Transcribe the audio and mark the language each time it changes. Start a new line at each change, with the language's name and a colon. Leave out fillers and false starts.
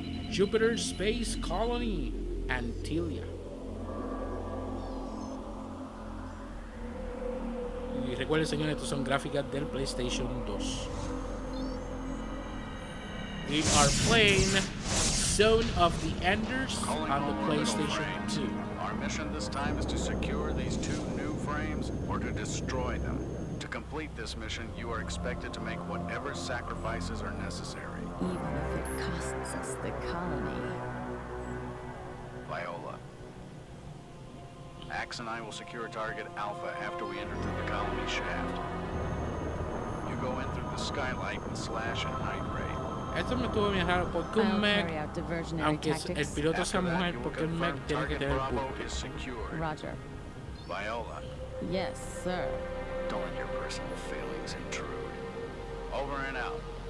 English: Jupiter Space Colony Antilia.
Spanish: Y recuerden, señores, estos son gráficas del PlayStation 2.
English: We are playing Zone of the Enders on the PlayStation 2. Our mission this time is to secure these two new frames or to destroy them. To complete this mission, you are expected to make whatever sacrifices are necessary. Even if it costs us the colony. Viola. Axe and I will secure target Alpha after we enter through the colony shaft. You go in through the skylight and slash and night ray.
Spanish: Esto me tuvo bien raro, porque un mech, aunque el piloto sea mujer, porque un mech tiene que tener puntos. Roger.
English: Viola. Yes, sir. Don't let your personal feelings intrude. Over and out.